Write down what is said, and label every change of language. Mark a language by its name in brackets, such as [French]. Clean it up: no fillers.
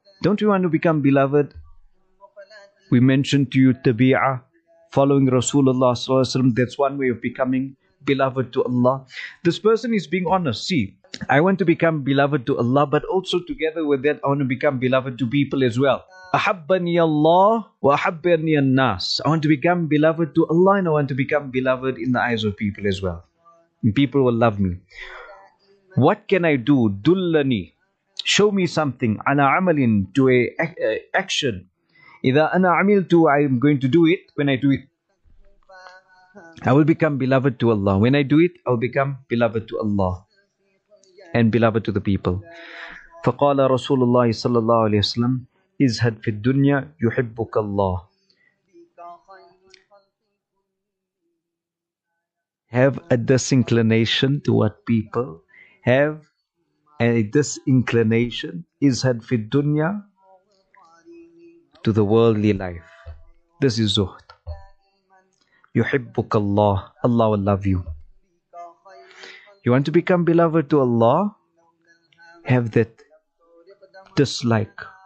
[English] Don't you want to become beloved? We mentioned to you tabi'ah, following Rasulullah sallallahu alaihi wasallam, that's one way of becoming beloved to Allah. This person is being honest. See, I want to become beloved to Allah, but also together with that, I want to become beloved to people as well. [Arabic] أحبني الله وأحبني الناس. [English] I want to become beloved to Allah and I want to become beloved in the eyes of people as well. And people will love me. What can I do? [Arabic] دلني. [English] Show me something. [Arabic] على عمل. [English] To a action. [Arabic] إذا أنا عملت, [English] I am going to do it. When I do it, I will become beloved to Allah. When I do it, I will become beloved to Allah and beloved to the people. [Arabic] فقال رسول الله صلى الله عليه وسلم إِزْهَدْ فِي الدُّنْيَا يُحِبُّكَ اللَّهِ [English] Have a disinclination to what people. Have a disinclination. [Arabic] إِزْهَدْ فِي الدُّنْيَا [English] To the worldly life. This is zuhd. [Arabic] يُحِبُّكَ اللَّهِ [English] Allah will love you. You want to become beloved to Allah? Have that dislike.